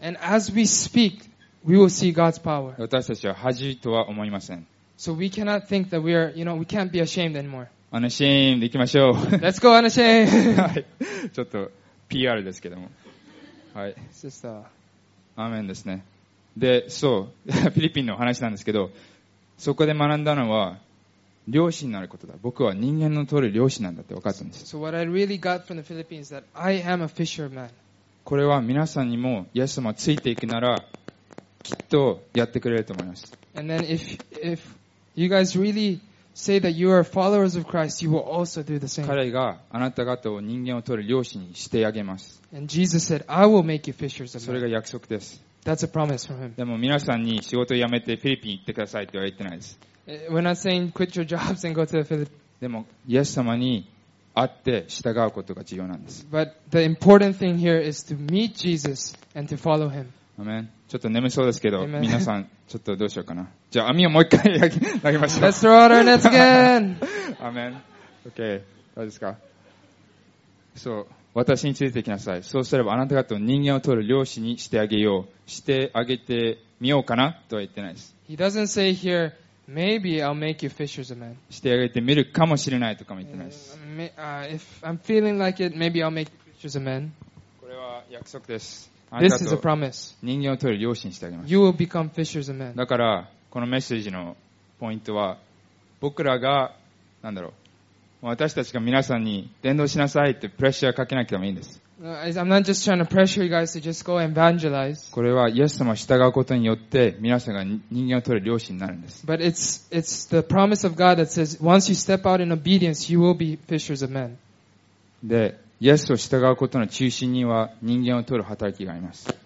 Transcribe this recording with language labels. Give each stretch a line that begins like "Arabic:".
English: And as we speak, we will see God's power.
Japanese: 私たちは恥とは思いません。
English: So we cannot think that we are, you know, we can't be ashamed anymore.
Japanese: Unashamed でいきましょう。
English: Let's go unashamed!
Japanese: はい。ちょっと PR ですけども。はい。
English: Sister.
Japanese: アーメンですね。で、そう、フィリピンの話なんですけど、そこで学んだのは、漁師になることだ。僕は人間の通り漁師なんだって分かったんです。
English: So what I really got from the Philippines is that I am a fisherman.
Japanese: これは皆さんにも、イエス様ついていくなら、きっとやってくれると思います。
English: And then if you guys really say that you are followers of Christ, you will also do the same.
Japanese: 彼があなた方を人間を通り漁師にしてあげます。
English: And Jesus said, I will make you fishers of men.
Japanese: それが約束です。
English: That's a promise from him.
Japanese: でも皆さんに仕事を辞めてフィリピン行ってくださいとは言ってないです。
English: We're not saying quit your jobs and go to the Philippines.
Japanese: でも、イエス様に会って従うことが重要なんです。
English: But the important thing here is to meet Jesus and to follow him. Amen.
Japanese: ちょっと眠そうですけど、Amen. 皆さん、ちょっとどうしようかな。じゃあ、網をもう一回投げましょう。
English: Let's throw out our nets again!
Japanese: Amen. Okay. どうですか？そう。私についてきなさい。そうすればあなた方を人間を取る漁師にしてあげよう。してあげてみようかなとは言ってないです。
English: He doesn't say here, maybe I'll make you fishers of men.
Japanese: してあげてみるかもしれないとかも言ってないです。
English: If I'm feeling like it, maybe I'll make you fishers of men.
Japanese: これは約束です。
English: This is a promise.
Japanese: 人間を取る漁師にしてあげます。
English: You will become fishers of men.
Japanese: だから、このメッセージのポイントは、僕らが、なんだろう。私たちが皆さんに伝道しなさいってプレッシャーをかけなきゃいいんです。
English: I'm not just trying to pressure you guys to just go evangelize.
Japanese: これはイエス様を従うことによって皆さんが人間を取る漁師になるんです。
English: But it's the promise of God that says once you step out in obedience, you will be fishers of men.
Japanese: で、イエスを従うことの中心には人間を取る働きがあります。